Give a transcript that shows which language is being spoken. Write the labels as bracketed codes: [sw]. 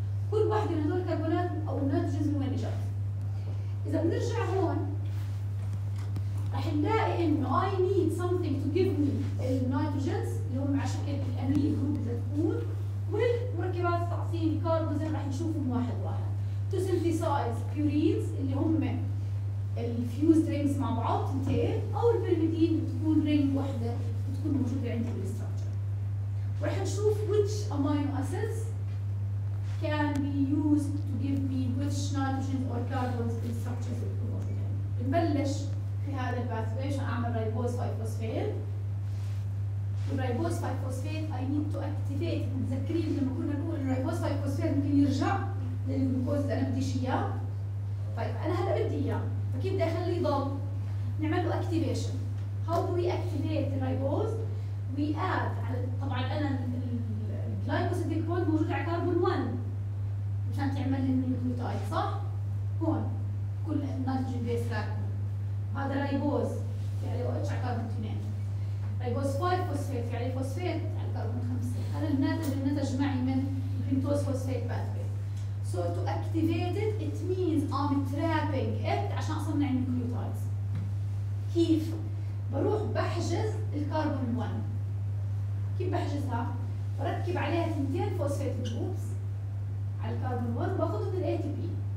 [ar] كل واحدة من هذول الكربونات أو النيتروجين من وين جات؟ إذا بنرجع هون رح نلاقي إنه [en] I need something to give me [ar] النيتروجين اللي هم على شكل الأميل جروب إذا تكون، والمركبات تعطيني كاربونز رح نشوفهم واحد واحد. [en] To synthesize purines [ar] اللي هم الفيوزد رينجز مع بعض تنتين، أو البيرمدين بتكون رينج واحدة بتكون موجودة عندي في الاستراكشر. ورح نشوف [en] which amino acids can be used to give me which nitrogen or carbons in structures of the protein. [ar] نبلش في هذا الباثوي عشان اعمل ريبوز 5 فوسفيت. الريبوز 5 فوسفيت [en] I need to activate. [ar] متذكرين لما كنا نقول الريبوز 5 فوسفيت ممكن يرجع للجلوكوز اللي انا بديش اياه؟ طيب انا هلا بدي اياه، فكيف بدي اخليه يضل؟ نعمل له activation. [en] How do we activate the ribose? We add [ar] طبعا انا الجلايكوسيديك بوند موجود على كربون 1 عشان تعمل لي النيوكليوتايد صح؟ هون كل النيتروجين بيس فاكتور هذا ريبوز يعني OH على كربون 2. ريبوز 5 فوسفيت يعني فوسفيت على كربون 5. هذا الناتج النتج معي من البنتوز فوسفيت باثوي. [en] So to activate it, it means I'm trapping it [ar] عشان اصنع النيوكليوتايدز. كيف؟ بروح بحجز الكربون 1. كيف بحجزها؟ بركب عليها ثنتين فوسفيت جروبس على الكربون 1 وباخذه من الاي تي بي.